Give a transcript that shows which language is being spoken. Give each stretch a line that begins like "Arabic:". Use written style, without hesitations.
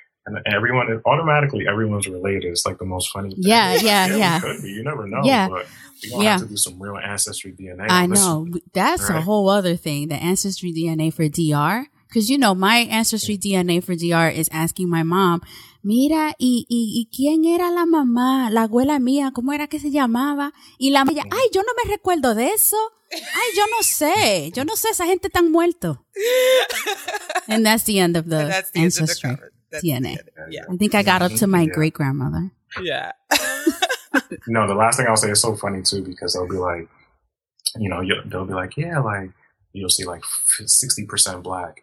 English: And everyone's related. It's like the most funny thing. Yeah, yeah, like, yeah. It could be. You never know. Yeah. But we're going to have to do some real ancestry DNA. I know. That's right? A whole other thing. The ancestry DNA for DR. Because, you know, my ancestry DNA for DR is asking my mom,
Spanish: mira, ¿y quién era la mamá, la abuela mía? ¿Cómo era que se llamaba? Y la mamá, ay, yo no me recuerdo de eso. Ay, yo no sé, esa gente tan muerto.
English: And that's the end of the ancestry. DNA. Yeah. I think I got up to my great-grandmother. Yeah. No, the last thing I'll say is so funny, too, because they'll be like, you know, they'll be like, yeah, like, you'll see like 60% black.